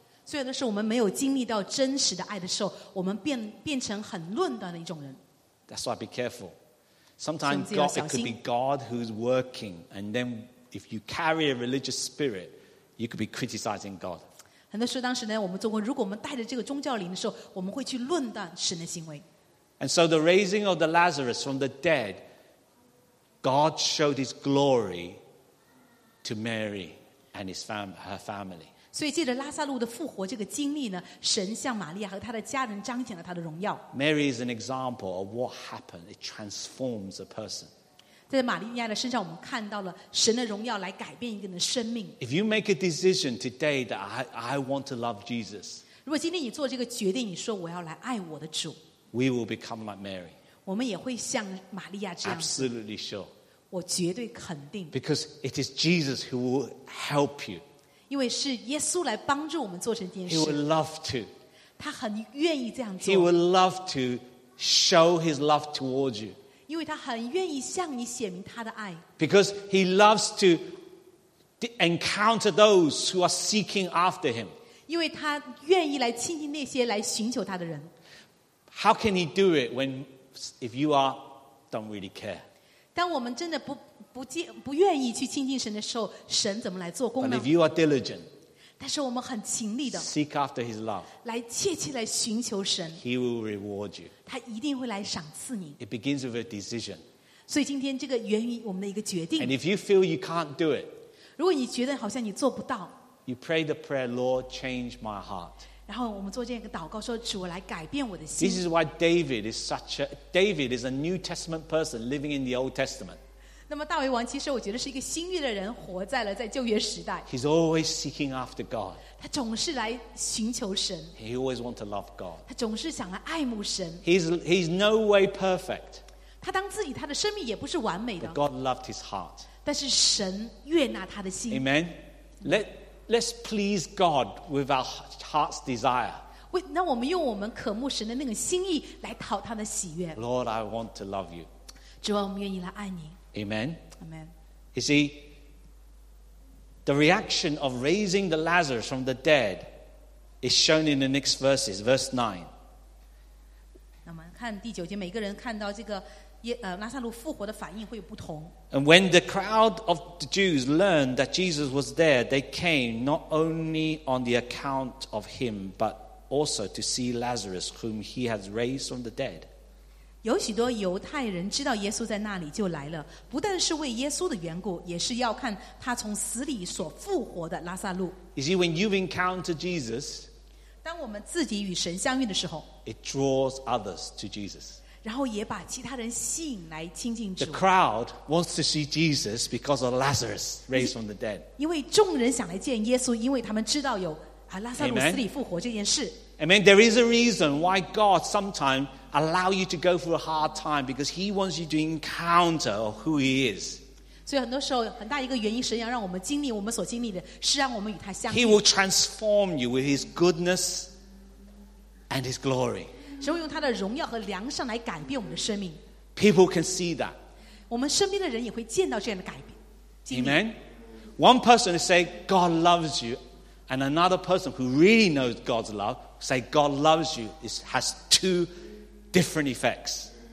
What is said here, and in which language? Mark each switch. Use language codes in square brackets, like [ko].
[zh] 所以那是我们没有经历到真实的爱的时候，我们变成很论断的一种人。 [en] That's why be careful. Sometimes God, it could be God who's working, and then if you carry a religious spirit, you could be criticizing God. [zh] 很多时候，当时呢，我们中国，如果我们带着这个宗教灵的时候，我们会去论断神的行为。 [en] And so the raising of the Lazarus from the dead, God showed His glory to Mary and his her family. [zh] 所以借着拉撒路的复活这个经历呢，神向玛利亚和他的家人彰显了他的荣耀。 [en] Mary is an example of what happened. It transforms a person. [zh] 在玛利亚的身上，我们看到了神的荣耀来改变一个人的生命。 [en] If you make a decision today that I want to love Jesus, [zh] 如果今天你做这个决定，你说我要来爱我的主。 [en] We will become like Mary. [zh] 我们也会像玛利亚这样。 [en] Absolutely sure. [zh] 我绝对肯定。 [en] Because it is Jesus who will help you. [zh] 因为是耶稣来帮助我们做成这件事。 [en] He will love to. [zh] 他很愿意这样做。 [en] He will love to show his love towards you. [zh] 因为他很愿意向你显明他的爱。 [en] Because he loves to encounter those who are seeking after him. [zh] 因为他愿意来亲近那些来寻求他的人。 [en] How can he do it when, if you are, don't really care? [zh] 当我们真的不愿意去亲近神的时候，神怎么来做工呢？ [en] But if you are diligent, [zh] 但是我们很勤力的 [en] seek after his love, [zh] 来切切来寻求神， [en] he will reward you. [zh] 他一定会来赏赐你。 [en] It begins with a decision. [zh] 所以今天这个源于我们的一个决定。 [en] And if you feel you can't do it, [zh] 如果你觉得好像你做不到， [en] you pray the prayer, Lord, change my heart. [zh] 然后我们做这样一个祷告，说主，我来改变我的心。 [en] This is why David is such a David is a New Testament person living in the Old Testament. [zh] 那么大卫王其实我觉得是一个新约的人，活在了在旧约时代。 [en] He's always seeking after God. [zh] 他总是来寻求神。 [en] He always wants to love God. [zh] 他总是想来爱慕神。 [en] He's no way perfect. [zh] 他当自己他的生命也不是完美的。 [en] But God loved his heart. [zh] 但是神悦纳他的心。 [en] Amen. Let's please God with our heart's desire. [zh] 那我们用我们渴慕神的那个心意来讨他的喜悦。 [en] Lord, I want to love you. [zh] 主啊，我们愿意来爱你。 [en] Amen. Amen. You see, the reaction of raising the Lazarus from the dead is shown in the next verses, verse 9. [zh] 那我们看第九节，每个人看到这个拉撒路复活的反应会有不同。 [en] And when the crowd of the Jews learned that Jesus was there, they came not only on the account of him, but also to see Lazarus, whom he has raised from the dead. [zh] 有许多犹太人知道耶稣在那里就来了，不但是为耶稣的缘故，也是要看他从死里所复活的拉撒路。 [en] You see, when you've encountered Jesus, [zh] 当我们自己与神相遇的时候， [en] it draws others to Jesus. [zh] 然后也把其他人吸引来亲近主。 [en] The crowd wants to see Jesus because of Lazarus raised from the dead. [zh] 因为众人想来见耶稣，因为他们知道有拉撒路死里复活这件事。 [en] Amen. There is a reason why God sometimes allow you to go through a hard time because He wants you to encounter who He is. [zh] 所以很多时候，很大一个原因，神要让我们经历我们所经历的，是让我们与他相遇。 [en] He will transform you with His goodness and His glory. [zh] 神会用他的荣耀和良善来改变我们的生命。 [en] People can see that. [zh] 我们身边的人也会见到这样的改变。 [en] Amen. One person will say, God loves you. And another person who really knows God's love say, God loves you. It has two different effects.